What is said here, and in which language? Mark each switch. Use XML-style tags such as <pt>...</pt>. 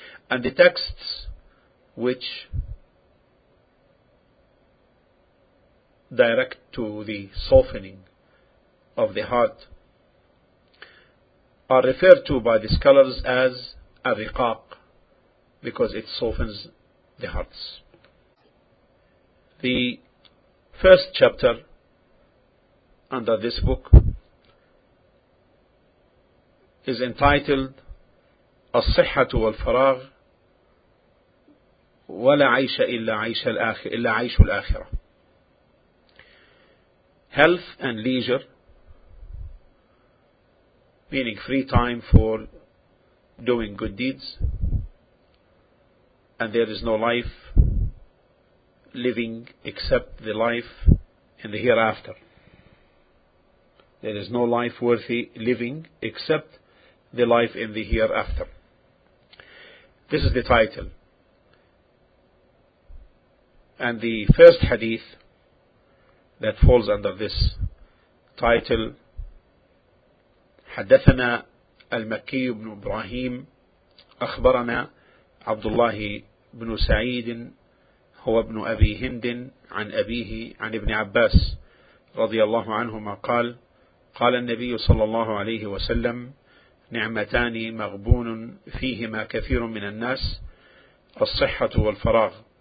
<en>And the texts which direct to the softening of the heart are referred to by the scholars as الرقاق because it softens the hearts. The first chapter under this book is entitled الصحة والفراغ ولا عيش إلا عيش الآخر إلا عيش الآخرة. Health and leisure, meaning free time for doing good deeds, and there is no life living except the life in the hereafter. There is no life worthy living except the life in the hereafter. This is the title.</en> <ar>And the first hadith that falls under this title, حدثنا المكي بن إبراهيم أخبرنا عبد الله بن سعيد هو ابن أبي هند عن أبيه عن ابن عباس رضي الله عنهما قال قال النبي صلى الله عليه وسلم نعمتان مغبون فيهما كثير من الناس الصحة والفراغ.</ar>